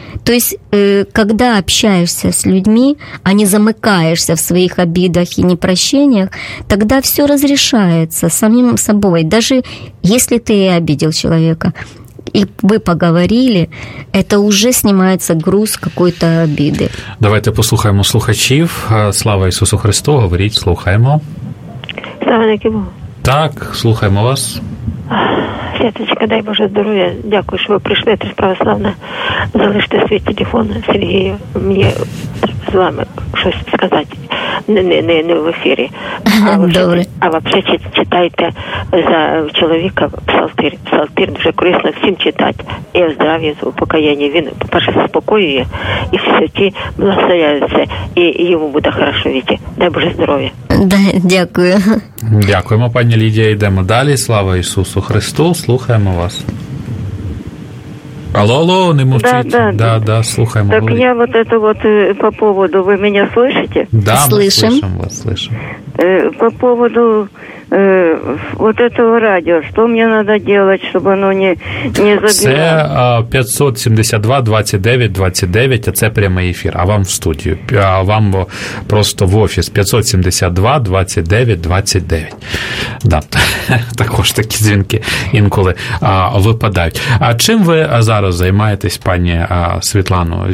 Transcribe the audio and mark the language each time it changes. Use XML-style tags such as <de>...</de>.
<ru>То есть, когда общаешься с людьми, а не замыкаешься в своих обидах и непрощениях, тогда все разрешается самим собой. Даже если ты и обидел человека, и вы поговорили, это уже снимается груз какой-то обиды.</ru> <uk>Давайте послухаємо слухачів. Слава Ісусу Христу, говоріть, слухаємо. Слава Нике Богу. Так, слухаємо вас. Святочка, дай Боже здоров'я. Дякую, що ви прийшли, ти православна. Залиште свій телефон, Сергію. Мені треба з вами щось сказати. Не в ефірі. А взагалі читайте за чоловіка псалтир. Псалтир дуже корисно всім читати. І в здрав'ї, в упокоєнні. Він, по-перше, спокоює, і все ті благословляються, і йому буде хорошо віти. Дай Боже здоров'я. Дякую. Дякуємо, пані Лідія. Йдемо далі. Слава Ісусу Христу. Слухаємо вас. Алло, не мовчіть. Да, слухаємо.</uk> <ru>Так говорить. Я вот это вот по поводу, вы меня слышите? Да, слышим вас. По поводу вот этого радио, что мне надо делать, чтобы оно не забило?</ru> <uk>Це 572-29-29, а це прямий ефір, а вам в студію, а вам просто в офіс. 572-29-29. Да, також такі дзвінки інколи випадають. А чим ви зараз займаєтесь, пані Світлано?</uk>